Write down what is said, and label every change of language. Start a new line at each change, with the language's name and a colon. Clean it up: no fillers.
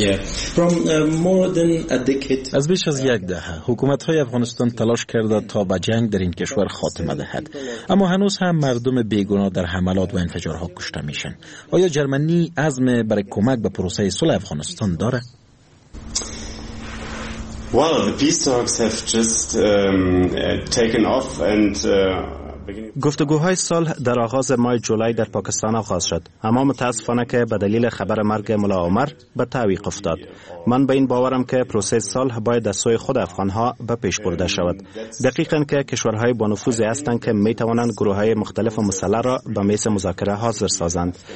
Persian: هستیم. از بیش از یک دهه حکومت های افغانستان تلاش کرده تا به جنگ در این کشور خاتمه دهد، اما هنوز هم مردم بیگناه در حملات و انفجارها کشته میشن. آیا جرمنی عزم برای کمک به پروسه صلح افغانستان داره؟
English: Well, the peace talks have just taken off and
Persian: گفتگوهای صلح در آغاز ماه جولای در پاکستان آغاز شد، اما متاسفانه که به دلیل خبر مرگ ملا عمر به تعویق افتاد. من به این باورم که پروسه صلح باید از سوی خود افغانها به پیش برده شود. دقیقاً که کشورهای با نفوذ هستند که می توانند گروه‌های مختلف مسلح را به میز مذاکره حاضر سازند.